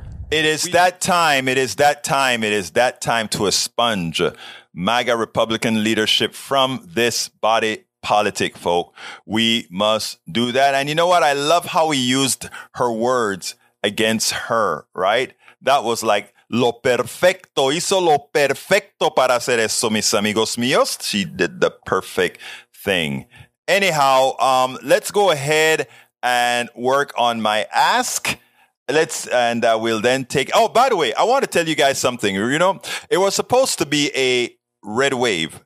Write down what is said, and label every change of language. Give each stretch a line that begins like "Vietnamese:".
English: It is that time to expunge MAGA Republican leadership from this body politic, folk. We must do that. And you know what? I love how he used her words against her, right? That was like,
Spanish: lo perfecto, hizo lo perfecto para hacer eso, mis amigos míos.
English: She did the perfect thing. Anyhow, let's go ahead and work on my ask. We'll then take... Oh, by the way, I want to tell you guys something. You know, it was supposed to be a red wave.